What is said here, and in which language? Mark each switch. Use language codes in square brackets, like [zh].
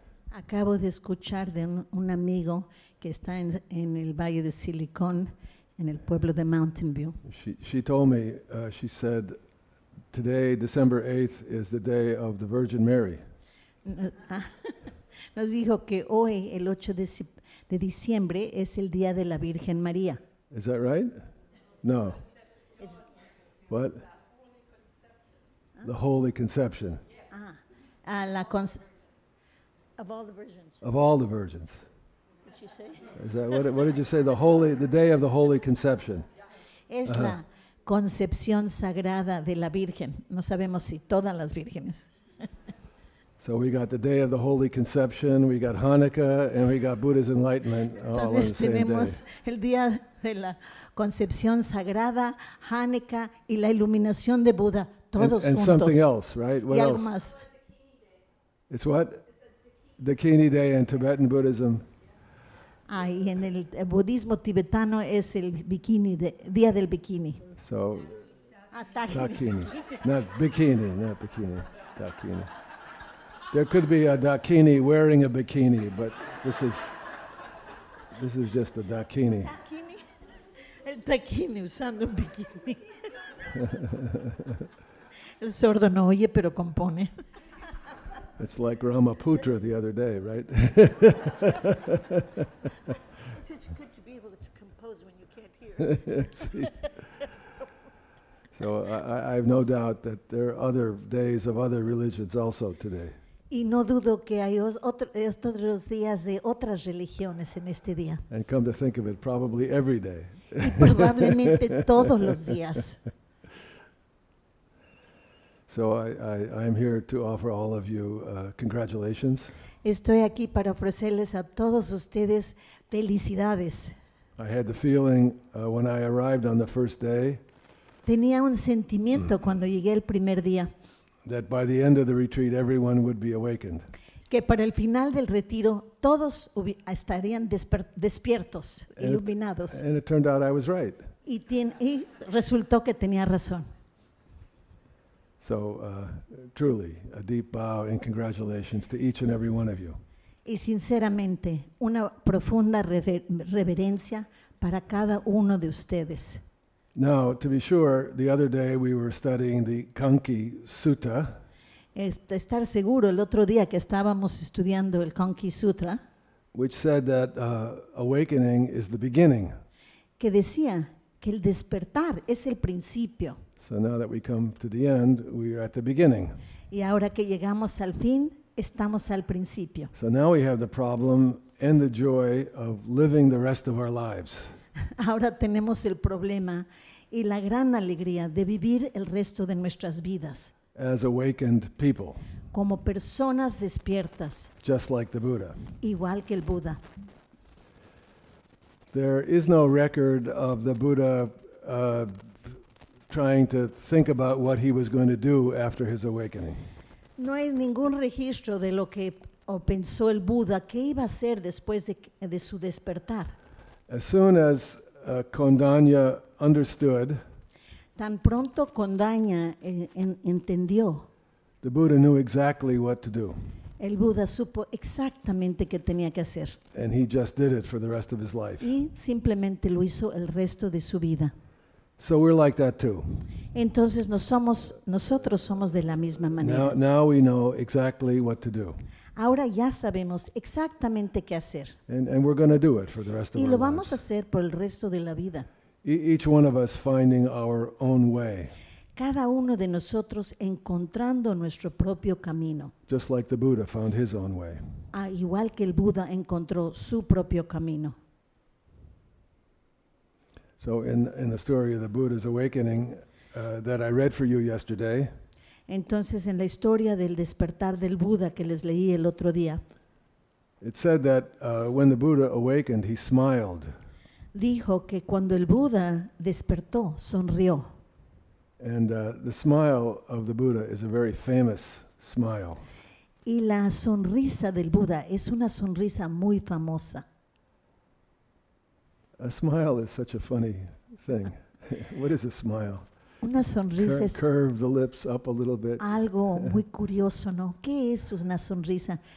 [es] Acabo de escuchar de un amigo que está en el Valle de Silicon, en el pueblo de Mountain View. [en] She told me, she said, today, December 8th, is the day of the Virgin Mary. [es] Nos dijo que hoy, el 8 de diciembre, es el día de la Virgen María. [en] Is that right? No. What? The Holy Conception. Of all the virgins. Of all the virgins. What'd you say? Is that what did you say? The day of the Holy Conception. [es] Es la concepción sagrada de la Virgen. No sabemos si todas las vírgenes. [en] So we got the day of the Holy Conception, we got Hanukkah, and we got Buddha's enlightenment all on the same day. [es] Entonces tenemos el día de la concepción sagrada, Hanukkah, y la iluminación de Buda, todos juntos. [en] And something else, right? What else? [es] Más. [en] It's what? Dakini Day in Tibetan Buddhism. [es] Ay, en el budismo tibetano es el bikini, día del bikini. [en] So, Dakini. Not bikini. Dakini. There could be a Dakini wearing a bikini, but this is just a Dakini. [es] Dakini? El Dakini usando un bikini. El sordo no oye, pero compone. [en] It's like Ramaputra the other day, right? It's good to be able to compose when you can't hear. So I have no doubt that there are other days of other religions also today. [es] Y no dudo que hay otros días de otras religiones en este día. [en] And come to think of it, probably every day. [es] Y probablemente todos los días. [en] So I am here to offer all of you congratulations. [es] Estoy aquí para ofrecerles a todos ustedes felicidades. [en] I had the feeling when I arrived on the first day. [es] Tenía un sentimiento cuando llegué el primer día. [en] That by the end of the retreat everyone would be awakened. [es] Que para el final del retiro todos estarían despiertos, iluminados. [en] And it turned out I was right. [es] Y resultó que tenía razón. [en] So truly, a deep bow and congratulations to each and every one of you. [es] Y sinceramente, una profunda reverencia para cada uno de ustedes. [en] Now, to be sure, the other day we were studying the Kanki Sutta. [es] Estar seguro, el otro día que estábamos estudiando el Kanki Sutra. [en] Which said that awakening is the beginning. [es] Que decía que el despertar es el principio. [en] So now that we come to the end, we are at the beginning. [es] Y ahora que llegamos al fin, estamos al principio. [en] So now we have the problem and the joy of living the rest of our lives. [es] Ahora tenemos el problema y la gran alegría de vivir el resto de nuestras vidas. [en] As awakened people. [es] Como personas despiertas. [en] Just like the Buddha. [es] Igual que el Buda. [en] There is no record of the Buddha trying to think about what he was going to do after his awakening. [es] No hay ningún registro de lo que pensó el Buda que iba a hacer después de su despertar. [en] As soon as Kondanya understood, [es] tan pronto Kondanya entendió, [en] the Buddha knew exactly what to do. [es] El Buda supo exactamente qué tenía que hacer. [en] And he just did it for the rest of his life. [es] Y simplemente lo hizo el resto de su vida. [en] So we're like that too. [es] Entonces nosotros somos de la misma manera. [en] Now we know exactly what to do. [es] Ahora ya sabemos exactamente qué hacer. [en] And we're going to do it for the rest of our lives. [es] Y lo vamos a hacer por el resto de la vida. [en] Each one of us finding our own way. [es] Cada uno de nosotros encontrando nuestro propio camino. [en] Just like the Buddha found his own way. [es] Igual que el Buda encontró su propio camino. [en] So in the story of the Buddha's awakening that I read for you yesterday. [es] Entonces en la historia del despertar del Buda que les leí el otro día. [en] It said that when the Buddha awakened, he smiled. [es] Dijo que cuando el Buda despertó, sonrió. [en] And the smile of the Buddha is a very famous smile. [es] Y la sonrisa del Buda es una sonrisa muy famosa. [en] A smile is such a funny thing. What is a smile? [es] Una sonrisa. [en] Curve the lips up a little bit. [es] Algo muy curioso, ¿no? ¿Qué es una sonrisa?